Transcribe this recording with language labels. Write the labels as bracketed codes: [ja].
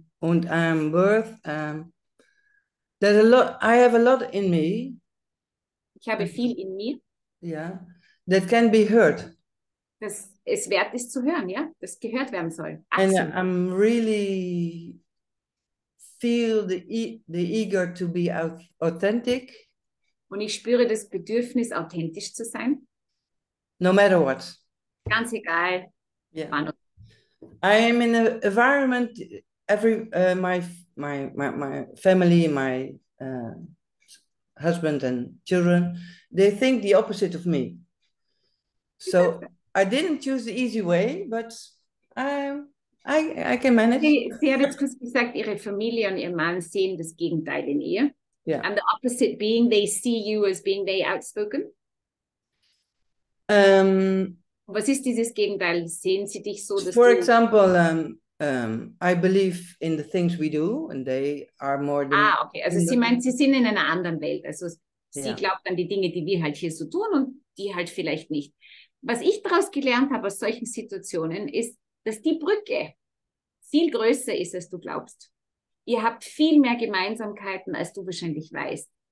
[en] And I'm worth, there's a lot, I have a lot in me. [de] Ich habe viel in mir. [en] Yeah, that can be heard. [de] Das es wert ist zu hören, ja, das gehört werden soll. Absolut. [en] And I'm really feel the eager to be authentic. [de] Und ich spüre das Bedürfnis, authentisch zu sein. [en] No matter what. [de] Ganz egal. [en] Yeah. I am in an environment, my family, my husband and children, they think the opposite of me. So I didn't choose the easy way, but I can manage. [de] Sie hat jetzt kurz gesagt, ihre Familie und ihr Mann sehen das Gegenteil in ihr. [en] Yeah. And the opposite being, they see you as being very outspoken. [de] Was ist dieses Gegenteil? Sehen sie dich so, dass [en] For example, I believe in the things we do and they are more than... Ah, okay. [de] Also sie meint, sie sind in einer anderen Welt. Also sie yeah. glaubt an die Dinge, die wir halt hier so tun und die halt vielleicht nicht. Was ich daraus gelernt habe aus solchen Situationen ist, dass die Brücke viel größer ist, als du glaubst. Ihr habt viel mehr Gemeinsamkeiten, als du wahrscheinlich weißt.